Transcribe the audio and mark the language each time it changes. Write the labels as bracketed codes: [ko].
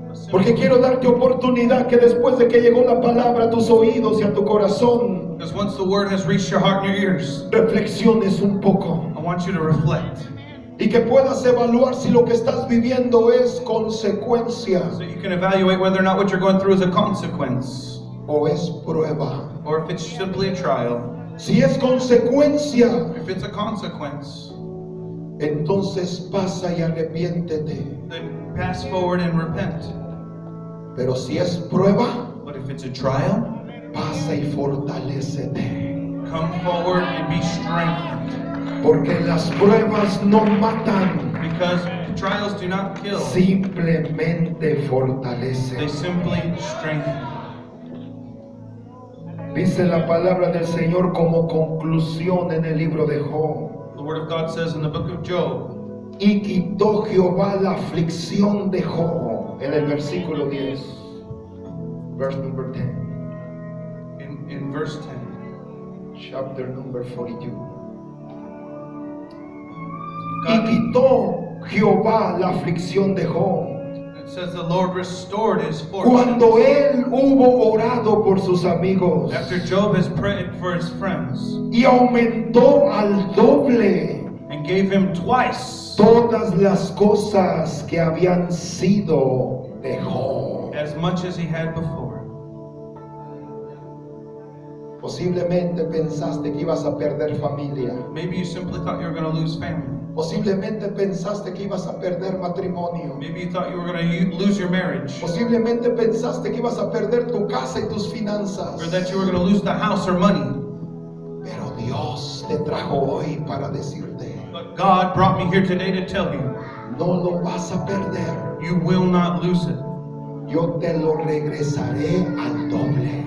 [es] Porque quiero darte oportunidad que después de que llegó la palabra a tus oídos y a tu corazón, [en] because once the word has reached your heart and your ears, [es] reflexiones un poco. [en] I want you to reflect. [es] y que puedas evaluar si lo que estás viviendo es consecuencia. [en] So you can evaluate whether or not what you're going through is a consequence. [es] O es prueba. [en] Or if it's simply a trial. [es] Si es consecuencia. [en] If it's a consequence. [es] Entonces pasa y arrepiéntete. [en] Then pass forward and repent. [es] Pero si es prueba. [en] But if it's a trial. [es] Pasa y fortalécete. [en] Come forward and be strengthened. [es] Porque las pruebas no matan. [en] Because trials do not kill. [es] Simplemente fortalecen. [en] They simply strengthen. [es] Dice la palabra del Señor como conclusión en el libro de Job. [en] The word of God says in the book of Job. [es] Y quitó Jehová la aflicción de Job. En el versículo 10. [en] Verse number 10. In verse 10. Chapter number 42. [es] God, y quitó Jehová la aflicción de Job. [en] It says the Lord restored his fortune. [es] Cuando él hubo orado por sus amigos. [en] After Job has prayed for his friends. [es] Y aumentó al doble. [en] And gave him twice. [es] Todas las cosas que habían sido de Job. [en] As much as he had before. [es] Posiblemente pensaste que ibas a perder familia. [en] Maybe you simply thought you were going to lose family. [es] Posiblemente pensaste que ibas a perder matrimonio. [en] Maybe you thought you were going to lose your marriage. [es] Posiblemente pensaste que ibas a perder tu casa y tus finanzas. [en] Or that you were going to lose the house or money. [es] Pero Dios te trajo hoy para decirte. [en] But God brought me here today to tell you. [es] No lo vas a perder. [en] You will not lose it. [es] Yo te lo regresaré al doble.